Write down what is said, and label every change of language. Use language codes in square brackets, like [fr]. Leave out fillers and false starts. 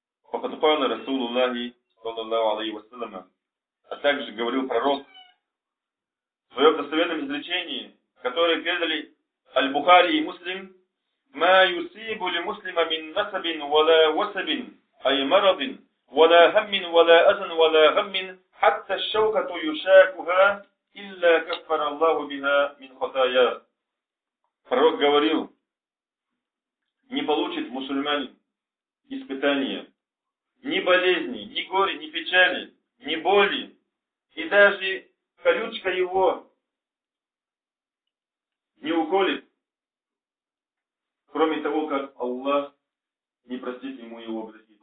[ru] Покатухана Расулуллахи, [ar] саллаллаху алейхи ва саллама, [ru] а также говорил пророк в своем достоверном изречении, которое передали Аль-Бухари и Муслим, [ar] «Ма юсибу ли муслима мин насабин вала васабин, ай марабин». ولا هم ولا أذن ولا غم حتى الشوكة يشاكها إلا كفر الله بها من خطايا. [ru] Пророк говорил, не получит мусульманин испытания, ни болезни, ни горе, ни печали, ни боли, и даже колючка его не уколет, кроме того, как Аллах не простит ему его грехи.